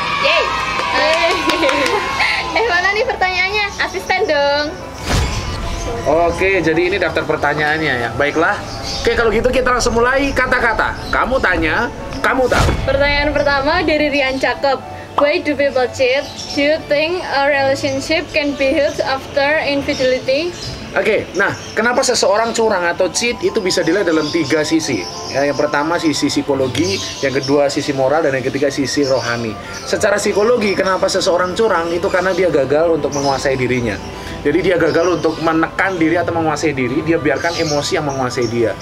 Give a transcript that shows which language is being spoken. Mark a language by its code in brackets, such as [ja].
[id] Yeay. Mana nih pertanyaannya? Asisten dong. Oke, jadi ini daftar pertanyaannya ya. Baiklah. Oke, kalau gitu kita langsung mulai kata-kata. Kamu tanya, kamu tahu. Pertanyaan pertama dari Rian Cakep. [en] Why do people cheat? Do you think a relationship can be healed after infidelity? [id] Oke, nah, kenapa seseorang curang atau cheat itu bisa dilihat dalam tiga sisi. Yang pertama sisi psikologi, yang kedua sisi moral, dan yang ketiga sisi rohani. Secara psikologi, kenapa seseorang curang itu karena dia gagal untuk menguasai dirinya. Jadi dia gagal untuk menekan diri atau menguasai diri, dia biarkan emosi yang menguasai dia.